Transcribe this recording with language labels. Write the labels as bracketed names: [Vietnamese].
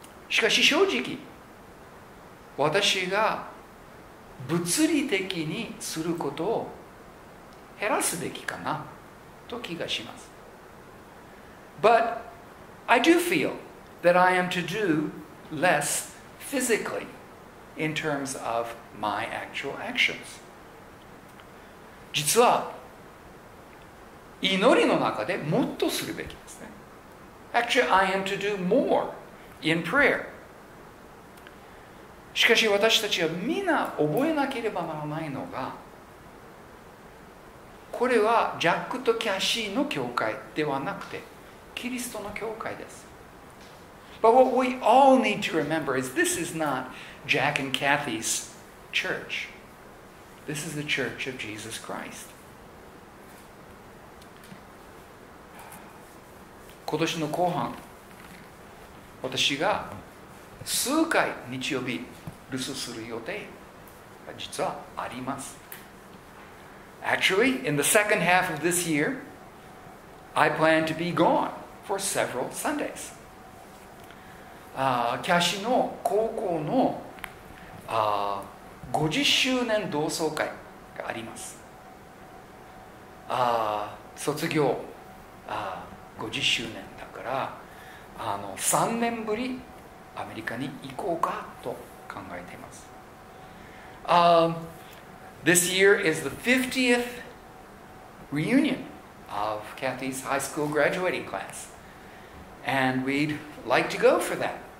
[Japanese] しかし正直、私が物理的にすることを減らすべきかなと気がします。 [English] But I do feel that I am to do less physically in terms of my actual actions. [Japanese] 実は祈りの中でもっとするべきですね。 [English] Actually, I am to do more in prayer. [Japanese] しかし私たちはみんな覚えなければならないのが、これはジャックとキャシーの教会ではなくてキリストの教会です。 [English] But what we all need to remember is this is not Jack and Kathy's church. This is the Church of Jesus Christ. [Japanese] 今年の後半、私が数回日曜日留守する予定が実はあります。 [English] Actually, in the second half of this year, I plan to be gone for several Sundays. [Japanese] キャシの高校の50周年同窓会があります。卒業50周年だから3年ぶりアメリカに行こうかと考えています。 [English] This year is the 50th reunion of Kathy's high school graduating class, and we'd like to go for that.